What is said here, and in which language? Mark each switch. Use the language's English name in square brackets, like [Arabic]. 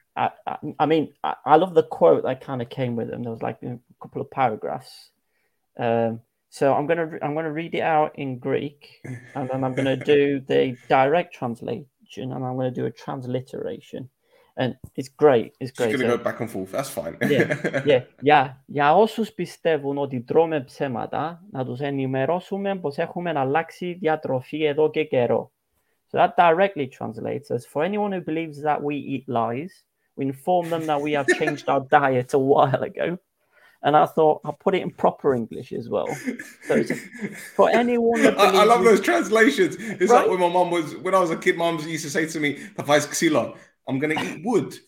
[English] I mean, I love the quote that kind of came with them. There was like a couple of paragraphs. So I'm gonna read it out in Greek, and then I'm gonna do the direct translation, and I'm gonna do a transliteration. And it's great. It's great. Just gonna go back and forth. That's fine. Yeah. [Greek] Όσους πιστεύουν ότι τρώμε ψέματα, να τους ενημερώσουμε πως έχουμε αλλάξει διατροφή εδώ και καιρό. [English] So that directly translates as, for anyone who believes that we eat lies, we inform them that we have changed our diet a while ago. And I thought, I'll put it in proper English as well. So it's for anyone who believes... I love those translations. It's right? Like when my mum was... When I was a kid, mums used to say to me, Papai's Ksila, I'm going to eat wood.